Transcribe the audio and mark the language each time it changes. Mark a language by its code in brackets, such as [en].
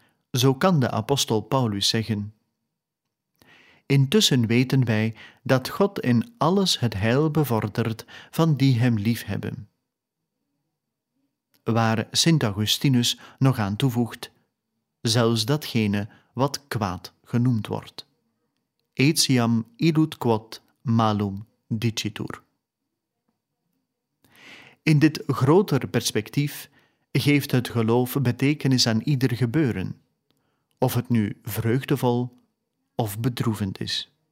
[nl] Zo kan de apostel Paulus zeggen: intussen weten wij dat God in alles het heil bevordert van die hem liefhebben. Waar Sint Augustinus nog aan toevoegt: zelfs datgene wat kwaad genoemd wordt. [la] Etiam illud quod malum dicitur. [nl] In dit groter perspectief geeft het geloof betekenis aan ieder gebeuren, of het nu vreugdevol of bedroevend is.